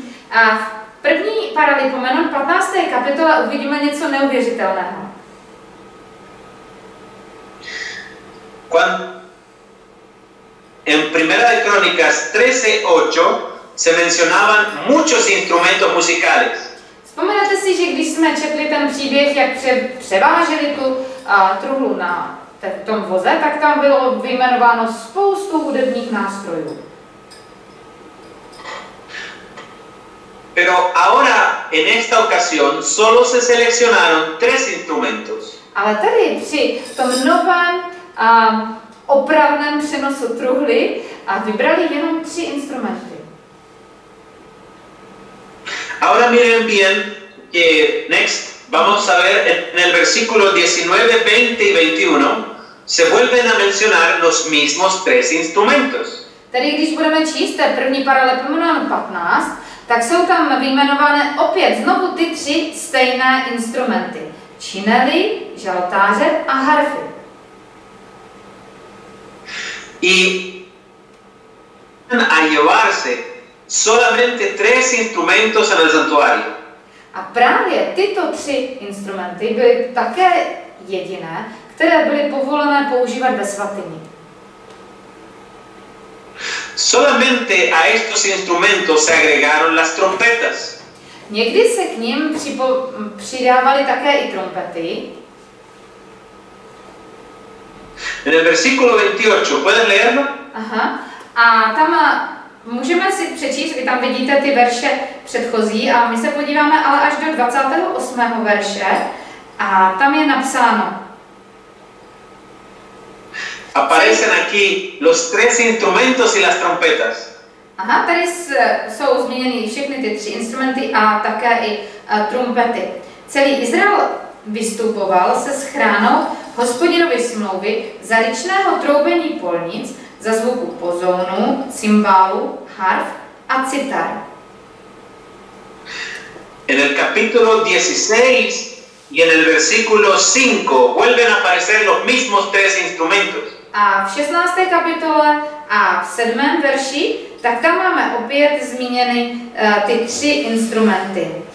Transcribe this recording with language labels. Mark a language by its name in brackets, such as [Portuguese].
[Czech] A v první paralipomenon 15. kapitole uvidíme něco neuvěřitelného. [Spanish] Cuando en Primera de Crónicas 13:8 se mencionaban muchos instrumentos musicales. [Czech] Vzpomenete si, že když jsme četli ten příběh, jak převáželi tu truhlu na tom voze, tak tam bylo vyjmenováno spoustu hudebních nástrojů. [Spanish] Pero ahora, en esta ocasión, solo se seleccionaron tres instrumentos. [Czech] Ale tady při tom novém opravném přenosu truhly a vybrali jenom tři instrumenty. [Spanish] Ahora miren bien que next vamos a ver en el versículo 19, 20 y 21 se vuelven a mencionar los mismos tres instrumentos. [Czech] Tady když budeme číst první paralelepimenon 15, tak jsou tam vyjmenované opět znovu ty tři stejné instrumenty. Činely, žaltáře a harfy. [Spanish] Y a llevarse solamente tres instrumentos en el santuario. [Czech] A právě tyto tři instrumenty byly také jediné, které byly povolené používat ve svatyni. [Spanish] Solamente a estos instrumentos se agregaron las trompetas. [Czech] Někdy se k ním přidávaly také i trompety. [Spanish] En el versículo 28, ¿pueden leerlo? [Czech] Aha. A tam můžeme si přečíst, vy tam vidíte ty verše předchozí a my se podíváme ale až do 28. verše a tam je napsáno. [Spanish] Aparecen aquí los tres instrumentos y las trompetas. [Czech] Aha, tady jsou změněny všechny ty tři instrumenty a také i trompety. Celý Izrael vystupoval se schránou Hospodinovy smlouvy za ryčného troubení polnic, za zvuku pozónu, cymbálu, harf a citar. [Spanish] En el capítulo 16 y en el versículo 5 vuelven a aparecer los mismos tres instrumentos. [Czech] A v 16. kapitole a v 7. verši, tak tam máme opět zmíněny ty tři instrumenty.